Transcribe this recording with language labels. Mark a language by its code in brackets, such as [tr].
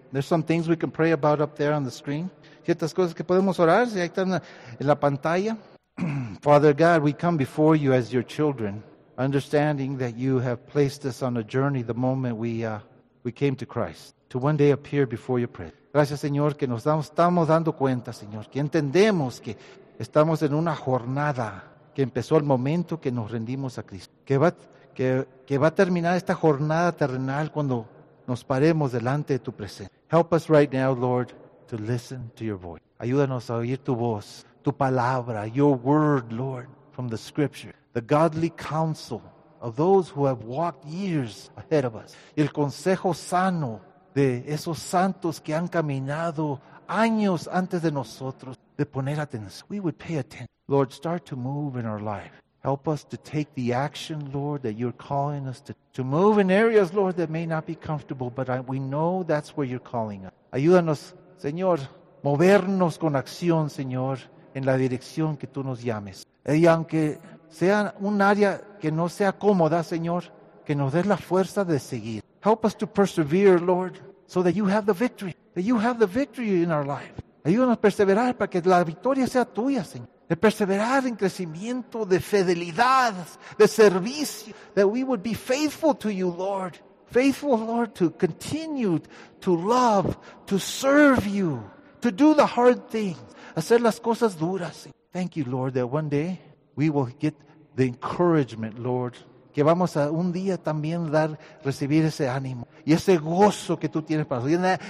[en] There's some things we can pray about up there on the screen. [es] Ciertas cosas que podemos orar, si ahí están en la pantalla. [en] Father God, we come before you as your children, understanding that you have placed us on a journey the moment we came to Christ, to one day appear before your presence. [es] Gracias, Señor, que estamos dando cuenta, Señor, que entendemos que estamos en una jornada que empezó el momento que nos rendimos a Cristo. Que va a terminar esta jornada terrenal cuando nos paremos delante de tu presencia. [en] Help us right now, Lord, to listen to your voice. [es] Ayúdanos a oír tu voz, tu palabra, [en] your word, Lord, from the scripture. The godly counsel of those who have walked years ahead of us. [es] Y el consejo sano de esos santos que han caminado años antes de nosotros, de poner atención. [en] We would pay attention. Lord, start to move in our life. Help us to take the action, Lord, that you're calling us to move in areas, Lord, that may not be comfortable, but we know that's where you're calling us. [es] Ayúdanos, Señor, movernos con acción, Señor, en la dirección que tú nos llames. Y aunque sea un área que no sea cómoda, Señor, que nos des la fuerza de seguir. [en] Help us to persevere, Lord, so that you have the victory. That you have the victory in our life. [es] Ayúdanos a perseverar para que la victoria sea tuya, Señor. De perseverar en crecimiento, de fidelidad, de servicio. [en] That we would be faithful to you, Lord. Faithful, Lord, to continue to love, to serve you, to do the hard things. [es] Hacer las cosas duras, Señor. [en] Thank you, Lord, that one day we will get the encouragement, Lord, [es] que vamos a un día también recibir ese ánimo y ese gozo que tú tienes para nosotros.